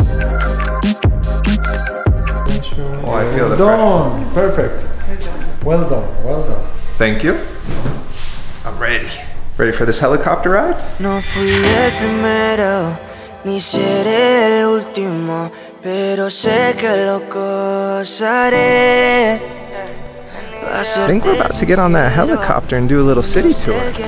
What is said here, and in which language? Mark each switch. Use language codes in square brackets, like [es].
[en] Oh, I feel well done. Perfect. Well done. Well done. Thank you. I'm ready. Ready for this helicopter ride? [es] No fui el primero. Ni seré el último, pero sé que lo gozaré. [en] I think we're about to get on that helicopter and do a little city tour.